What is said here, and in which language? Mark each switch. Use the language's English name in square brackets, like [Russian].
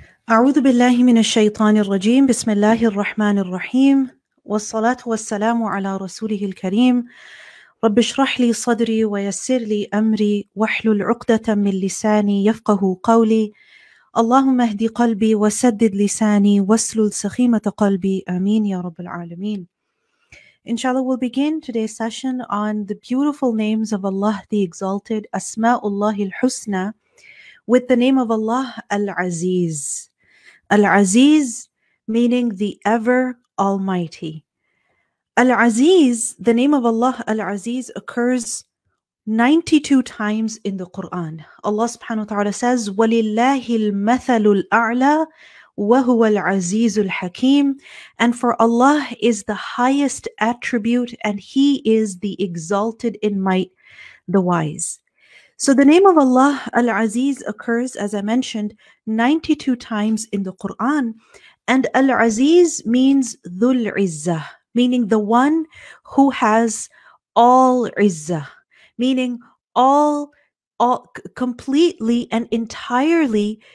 [Arabic] أعوذ بالله من الشيطان الرجيم. بسم الله الرحمن الرحيم، والصلاة والسلام على رسوله الكريم. رب اشرح لي صدري ويسر لي أمري واحلل عقدة من لساني يفقه قولي. اللهم اهدي قلبي وسدد لساني واسلل سخيمة قلبي. آمين يا رب العالمين. [English] Inshallah, we'll begin today's session on the beautiful names of Allah the Exalted, asma Allah al-Husna, with the name of Allah al-Aziz. Al-Aziz meaning the ever almighty. Al-Aziz, the name of Allah al-Aziz, occurs 92 times in the Quran. [Arabic] Allah subhanahu wa ta'ala says, وَلِلَّهِ الْمَثَلُ الْأَعْلَىٰ وَهُوَ الْعَزِيزُ الْحَكِيمُ. [English] And for Allah is the highest attribute, and He is the exalted in might, the wise. So the name of Allah, Al-Aziz, occurs, as I mentioned, 92 times in the Quran. And Al-Aziz means [Arabic] ذُو الْعِزَّةِ, [English] meaning the one who has all عِزَّةِ, meaning all completely and entirely.